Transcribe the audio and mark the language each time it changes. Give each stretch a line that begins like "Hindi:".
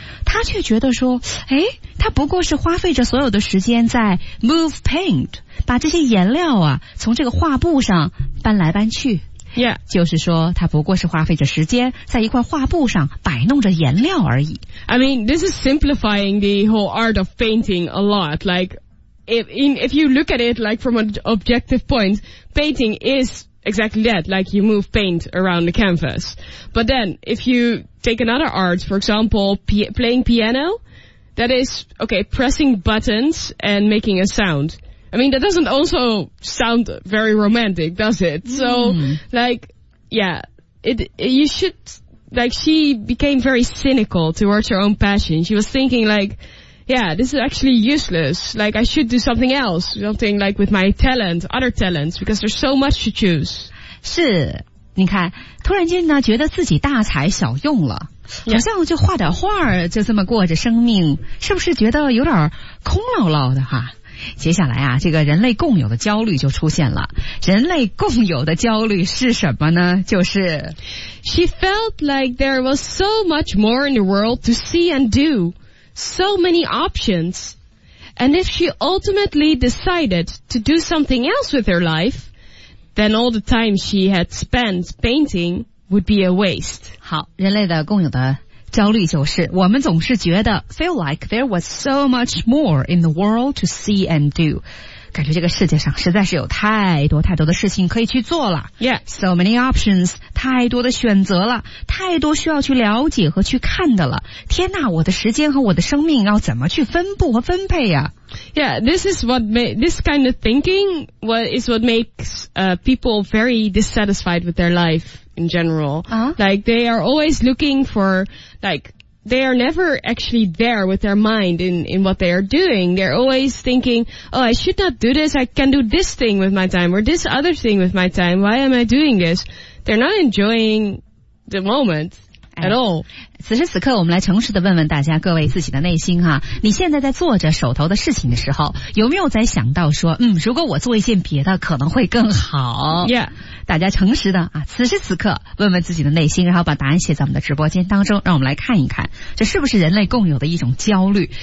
Chinese: 她却觉得说，诶，她不过是花费着所有的时间在
English: move paint,
Chinese: 把这些颜料啊从这个画布上搬来搬去。
English: Yeah.
Chinese: 就是说她不过是花费着时间在一块画布上摆弄着颜料而已。
English: I mean, this is simplifying the whole art of painting a lot. Like, if you look at it like from an objective point, painting is exactly that, like you move paint around the canvas. But then, if you take another art, for example, playing piano,That is, okay, pressing buttons and making a sound. I mean, that doesn't also sound very romantic, does it? So, like, yeah, you should, like, she became very cynical towards her own passion. She was thinking, like, yeah, this is actually useless. Like, I should do something else, something like with my talent, other talents, because there's so much to choose.
Chinese: 是，你看，突然间呢，觉得自己大材小用了。
English: Yeah.
Chinese: 好像就画点画就这么过着生命，是不是觉得有点空落落的哈？接下来啊，这个人类共有的焦虑就出现了。人类共有的焦虑是什么呢？就是
English: She felt like there was so much more in the world to see and do, so many options. And if she ultimately decided to do something else with her life, then all the time she had spent painting would be a waste.
Chinese: 好，人类的共有的焦虑就是，我们总是觉得
English: feel like there was so much more in the world to see and do.
Chinese: 感觉这个世界上实在是有太多太多的事情可以去做了。
English: Yeah. So many options,
Chinese: 太多的选择了，太多需要去了解和去看的了。天哪，我的时间和我的生命要怎么去分布和分配呀？
English: Yeah, this kind of thinking is what makes people very dissatisfied with their life. In general, like they are always looking for, like they are never actually there with their mind in what they are doing. They're always thinking, oh, I should not do this. I can do this thing with my time or this other thing with my time. Why am I doing this? They're not enjoying the moment at all.
Chinese: 此时此刻，我们来诚实的问问大家各位自己的内心哈，你现在在做着手头的事情的时候，有没有在想到说，如果我做一件别的可能会更好？
English: Yeah.
Chinese: 大家诚实的啊，此时此刻问问自己的内心，然后把答案写在我们的直播间当中，让我们来看一看，这是不是人类共有的一种焦虑？